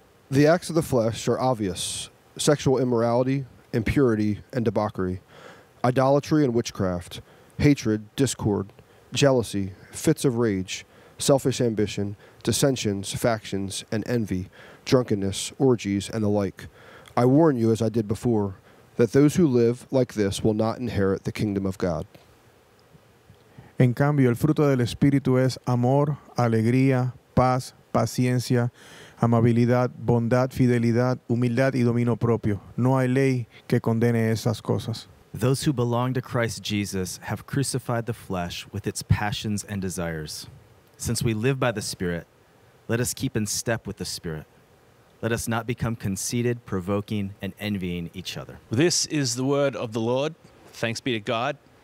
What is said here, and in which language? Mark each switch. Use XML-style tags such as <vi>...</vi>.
<en>The acts of the flesh are obvious: sexual immorality, impurity, and debauchery, idolatry and witchcraft, hatred, discord, jealousy, fits of rage, selfish ambition, dissensions, factions, and envy, drunkenness, orgies, and the like. I warn you, as I did before, that those who live like this will not inherit the kingdom of God.</en> <es>En cambio, el fruto del Espíritu es amor, alegría, paz, paciencia, amabilidad, bondad, fidelidad, humildad, y dominio propio. No hay ley que condene esas cosas.</es> <en>Those who belong to Christ Jesus have crucified the flesh with its passions and desires. Since we live by the Spirit, let us keep in step with the Spirit. Let us not become conceited, provoking, and envying each other. This is the word of the Lord. Thanks be to God.</en>